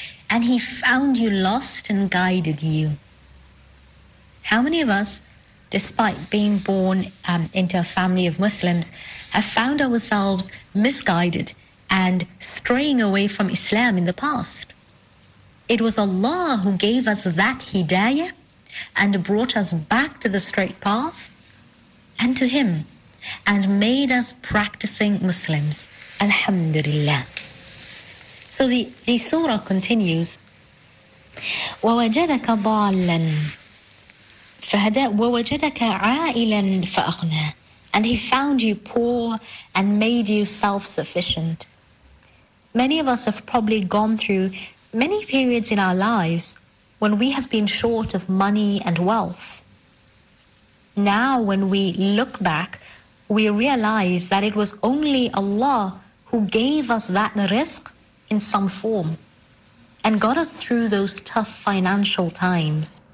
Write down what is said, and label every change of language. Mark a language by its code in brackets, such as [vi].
[en] And He found you lost and guided you. How many of us, despite being born into a family of Muslims, have found ourselves misguided and straying away from Islam in the past? It was Allah who gave us that hidayah and brought us back to the straight path and to Him and made us practicing Muslims. Alhamdulillah. So the surah continues, [ar] وَوَجَدَكَ ضَالًا فَهَدَى وَوَجَدَكَ عَائِلًا فَأَغْنَى. [en] And He found you poor and made you self-sufficient. Many of us have probably gone through many periods in our lives when we have been short of money and wealth. Now when we look back, we realize that it was only Allah who gave us that rizq in some form and got us through those tough financial times.